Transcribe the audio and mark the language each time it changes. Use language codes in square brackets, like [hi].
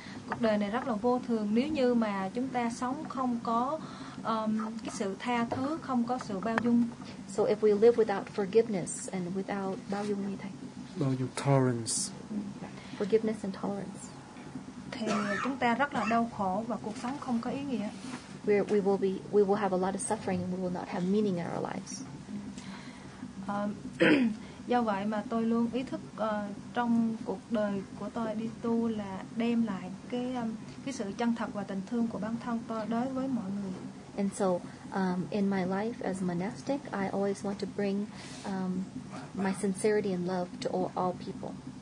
[vi] Cuộc đời này rất là vô thường. Nếu như mà chúng ta sống không có cái sự tha thứ, không có sự bao dung. [en] So if we live without forgiveness and without [vi] bao dung như thế. Bao dung tolerance. [en] Forgiveness and tolerance. [vi] Thì chúng ta rất là đau khổ và cuộc sống không có ý nghĩa. [en] We will have a lot of suffering and we will not have meaning in our lives. [vi] Do vậy mà tôi luôn ý thức trong cuộc đời của tôi đi tu là đem lại cái sự chân thật và tình thương của bản thân tôi đối với mọi người. [en] And so in my life as a monastic, I always want to bring my sincerity and love to all people.